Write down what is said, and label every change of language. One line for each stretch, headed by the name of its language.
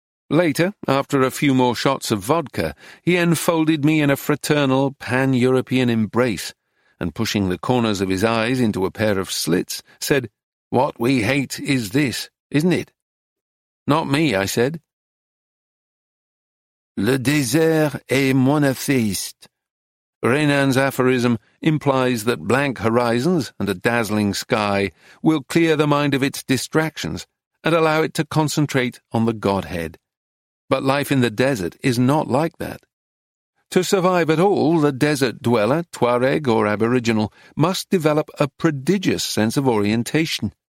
English: Later, after a few more shots of vodka, he enfolded me in a fraternal, pan-European embrace, and pushing the corners of his eyes into a pair of slits, said, "What we hate is this, isn't it?" "Not me," I said.
French: Le désert est monothéiste.
English: Renan's aphorism implies that blank horizons and a dazzling sky will clear the mind of its distractions and allow it to concentrate on the Godhead. But life in the desert is not like that. To survive at all, the desert dweller, Tuareg or Aboriginal, must develop a prodigious sense of orientation.